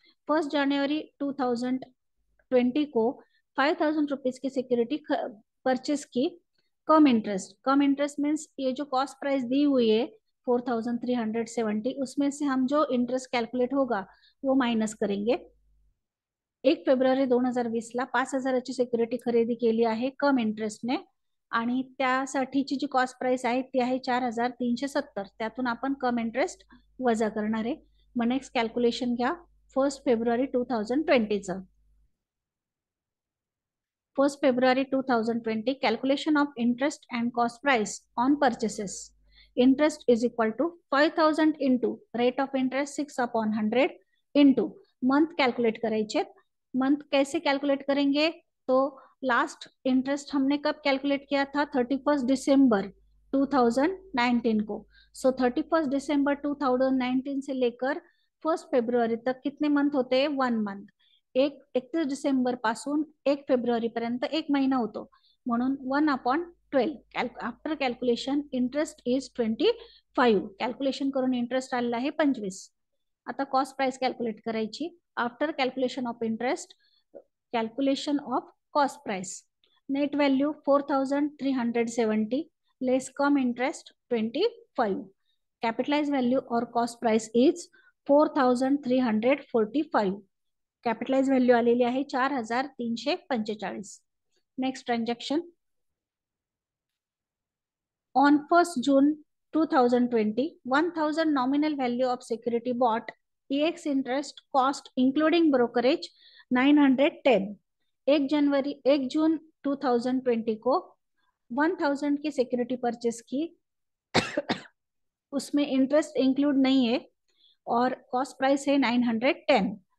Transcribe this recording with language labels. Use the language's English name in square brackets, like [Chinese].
[Hindi] 1 जनवरी 2020 को 5000 रुपीस की security purchase की कम इंटरेस्ट. कम इंटरेस्ट मीन्स ये जो कॉस्ट प्राइस दी हुई है 4370, उसमें से हम जो इंटरेस्ट कैलकुलेट होगा वो माइनस करेंगे. [Marathi] 1 फेब्रुवारी 2020 ला 5000 सिक्युरिटी खरेदी केली आहे कम इंटरेस्ट ने, आणि त्यासाठीची जी कॉस्ट प्राइस आहे ती आहे 4370. त्यातून आपण कम इंटरेस्ट वजा करणार आहे. मग नेक्स्ट कॅल्क्युलेशन घ्या 1 फेब्रुवारी 2020 च. [English] 1 February 2020 calculation of interest and cost price on purchases. Interest is equal to 5000 into rate of interest 6/100 into month calculate [Marathi] करायचे. [Hindi] मंथ कैसे कैलकुलेट करेंगे, तो लास्ट इंटरेस्ट हमने कब कैलकुलेट किया था, 31 दिसंबर 2019 को. सो 31 दिसंबर 2019 से लेकर 1 फेब्रुवरी तक कितने मंथ होते हैं, 1 मंथ. [Marathi] 31 दिसंबर पासून 1 फेब्रुवरी पर्यंत 1 महीना होतो, म्हणून 1/12. [English] After calculation interest is 25. [Marathi] Calculation करून इंटरेस्ट आलेला आहे 25. आता कॉस्ट प्राइस कैलक्युलेट करायची. [English] After calculation of interest calculation of cost price net value 4370 less कम interest 25. Capitalise value [Hindi] और [English] Cost price is 4345. [Marathi] Capitalise value आलेली आहे 4345. [English] Next transaction. On 1 June 2020 1000 nominal value of security bought ex interest cost including brokerage 910. [Hindi] 1 जून 2020 को 1000 की security purchase की, उसमें interest include नहीं है और कॉस्ट प्राइस है 910.